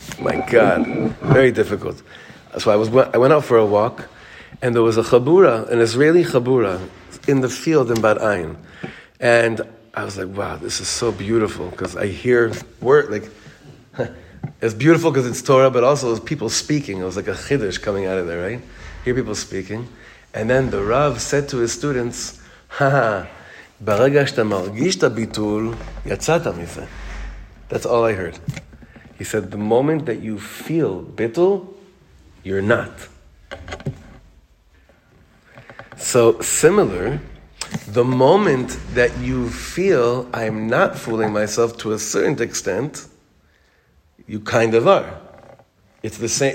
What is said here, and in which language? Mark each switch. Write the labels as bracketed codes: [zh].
[en] My God, very difficult. So I went out for a walk, and there was a chabura, an Israeli chabura, in the field in Bat Ayin. And I was like, wow, this is so beautiful, because I hear word, like, it's beautiful because it's Torah, but also it was people speaking. It was like a chiddush coming out of there, right? Hear people speaking. And then the Rav said to his students, haha, [he] ברגע שאתה מרגיש את הביטול, יצאת מזה. [en] That's all I heard. He said, the moment that you feel bitul, you're not. So similar, the moment that you feel I'm not fooling myself to a certain extent, you kind of are. It's the same.